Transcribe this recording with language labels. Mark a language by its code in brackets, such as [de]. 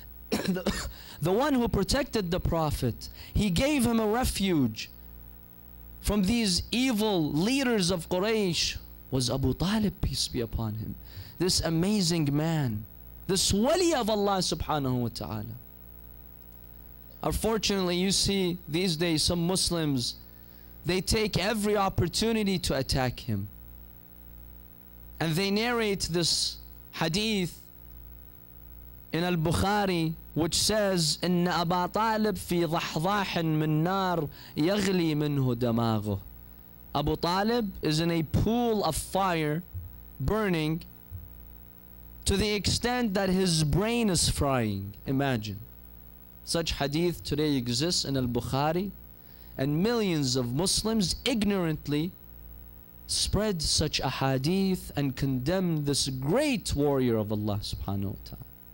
[en] The one who protected the Prophet, he gave him a refuge from these evil leaders of Quraysh, was Abu Talib, peace be upon him. This amazing man, this wali of Allah subhanahu wa ta'ala. Unfortunately, you see these days some Muslims, they take every opportunity to attack him. And they narrate this hadith in Al-Bukhari, which says, [ar] إِنَّ أَبَا طَالِبْ فِي ضَحْضَاحٍ مِنْ نَارْ يَغْلِي مِنْهُ دَمَاغُ. [en] Abu Talib is in a pool of fire burning to the extent that his brain is frying. Imagine. Such hadith today exists in Al-Bukhari, and millions of Muslims ignorantly spread such a hadith and condemn this great warrior of Allah subhanahu wa ta'ala.